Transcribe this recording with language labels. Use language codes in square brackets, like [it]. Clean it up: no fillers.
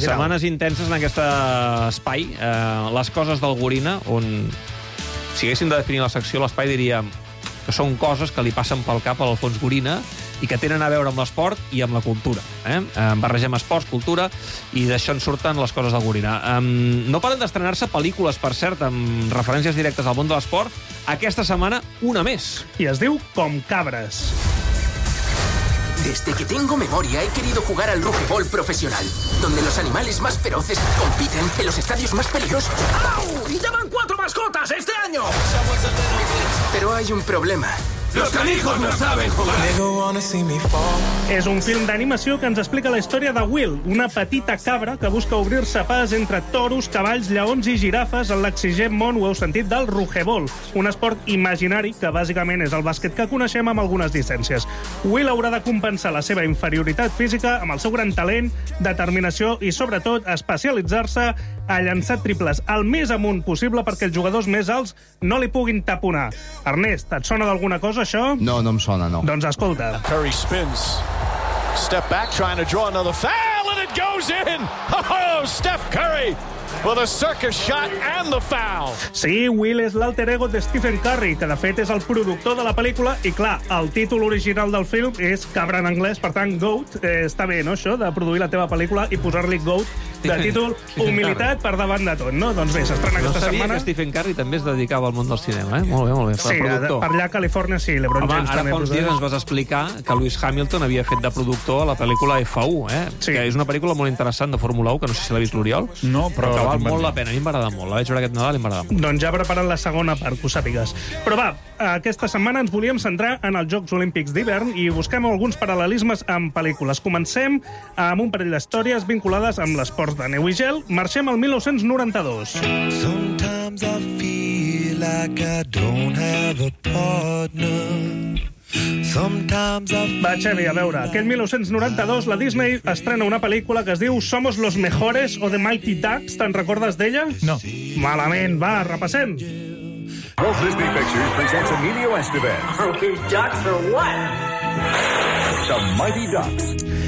[ca] Setmanes intenses en aquest espai, les coses del Gorina, on si haguéssim de definir la secció, l'espai diríem que són coses que li passen pel cap a l'Alfons Gorina i que tenen a veure amb l'esport i amb la cultura. Barregem esports, cultura, i d'això en surten les coses del Gorina. No paren d'estrenar-se pel·lícules, per cert, amb referències directes al món de l'esport. Aquesta setmana, una més. I es diu Com cabres. [es] Desde que tengo memoria he querido jugar al rugbyball profesional, donde los animales más feroces compiten en los estadios más peligrosos. ¡Au! ¡Ya van 4 mascotas este año! Pero hay un problema. Los canijos no saben jugar. [ca] És un film d'animació que ens explica la història de Will, una petita cabra que busca obrir-se pas entre toros, cavalls, lleons i girafes en l'exigent món, ho heu sentit, del rugebol, un esport imaginari que bàsicament és el bàsquet que coneixem amb algunes distàncies. Will haurà de compensar la seva inferioritat física amb el seu gran talent, determinació i, sobretot, especialitzar-se a llançar triples el més amunt possible perquè els jugadors més alts no li puguin taponar. Ernest, et sona d'alguna cosa, això? No, no em sona, no. Doncs escolta. [en] Curry spins. Step back, trying to draw another foul, and it goes in! Oh, Steph Curry! With a circus shot and the foul. [ca] Sí, Will és l'alter ego de Stephen Curry, que de fet és el productor de la pel·lícula, i clar, el títol original del film és Cabra en anglès, per tant, Goat, està bé, no, això, de produir la teva pel·lícula i posar-li Goat de títol, humilitat per davant de tot, no? Doncs bé, s'estrena aquesta setmana. No sabia que Stephen Curry també es dedicava al món del cinema, eh? Molt bé, molt bé. Sí, per allà a Califòrnia, sí, LeBron James també. Ara fa uns dies ens vas explicar que Lewis Hamilton havia fet de productor a la pel·lícula F1, eh? Sí. Que és una pel·lícula molt interessant de Fórmula 1, que no sé si l'ha vist l'Oriol. No, però... que val molt la pena, a mi m'agrada molt. La vaig veure aquest Nadal i m'agrada molt. Doncs ja ha preparat la segona part, que ho sàpigues. Però va, aquesta setmana ens volíem centrar en els Jocs Olímpics d'hivern i busquem alguns paral·lelismes amb pel·lícules. Comencem amb un parell d'històries vinculades amb l'esport de neu i gel. Marxem al 1992. [en] Sometimes I feel like I don't have a partner. [ca] Va, Xevi, a veure, aquest 1992 la Disney estrena una pel·lícula que es diu Somos los mejores o The Mighty Ducks. Te'n recordes d'ella? No. Malament, va, repassem. [en] Walt Disney Pictures presents Emilio Estevez. Are these ducks or what? The Mighty Ducks.